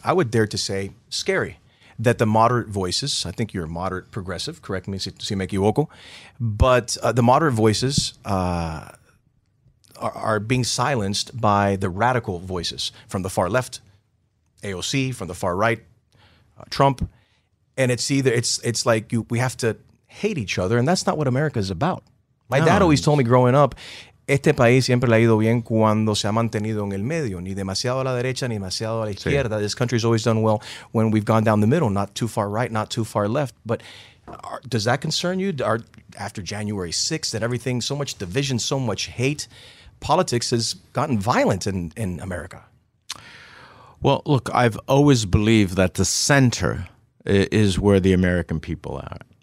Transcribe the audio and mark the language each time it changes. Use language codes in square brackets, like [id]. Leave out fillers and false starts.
[en] I would dare to say scary. That the moderate voices, I think you're a moderate progressive, correct me if I'm equivoco, but the moderate voices are being silenced by the radical voices from the far left, AOC, from the far right, Trump. And it's like we have to hate each other, and that's not what America is about. My dad always told me growing up, [es] este país siempre le ha ido bien cuando se ha mantenido en el medio, ni demasiado a la derecha, ni demasiado a la izquierda. [en] Sí. This country's always done well when we've gone down the middle, not too far right, not too far left. But does that concern you? After January 6th and everything, so much division, so much hate, politics has gotten violent in America. Well, look, I've always believed that the center is where the American people are.